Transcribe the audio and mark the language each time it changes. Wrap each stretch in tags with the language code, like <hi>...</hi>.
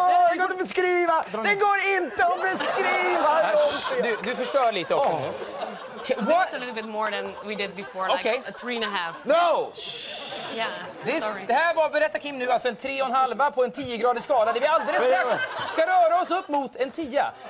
<sv>Det går inte att beskriva! Det går inte att beskriva! Du förstör lite också. Oh.</sv> <en>So what? That's a little bit more than we did before, like a 3.5. No! Yeah, this, sorry.</en> <sv>Det här var, berätta Kim nu, alltså en 3.5 på en 10-gradig skala. Det vi alldeles strax ska röra oss upp mot en 10.</sv>